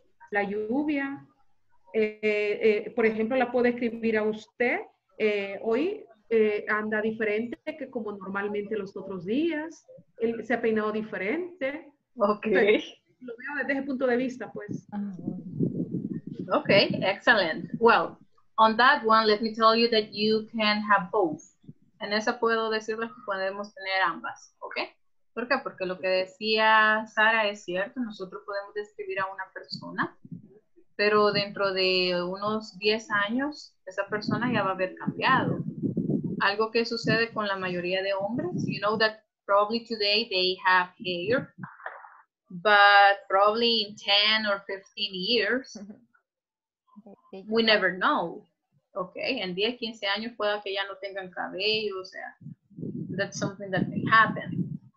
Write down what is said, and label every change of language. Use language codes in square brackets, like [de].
[es] la lluvia. Por ejemplo, la puedo escribir a usted. Hoy anda diferente que como normalmente los otros días. Él se ha peinado diferente. Ok. Pero lo veo desde ese punto de vista, pues. [en] Ok, excellent. Well, on that one, let me tell you that you can have both. [es] En esa puedo decirles que podemos tener ambas, ¿ok? ¿Por qué? Porque lo que decía Sara es cierto, nosotros podemos describir a una persona, pero dentro de unos 10 años, esa persona ya va a haber cambiado. Algo que sucede con la mayoría de hombres, [en] you know that probably today they have hair, but probably in 10 or 15 years, we never know. [es] Okay, en 10, 15 años pueda que ya no tengan cabello, o sea, [en] that's something that may happen.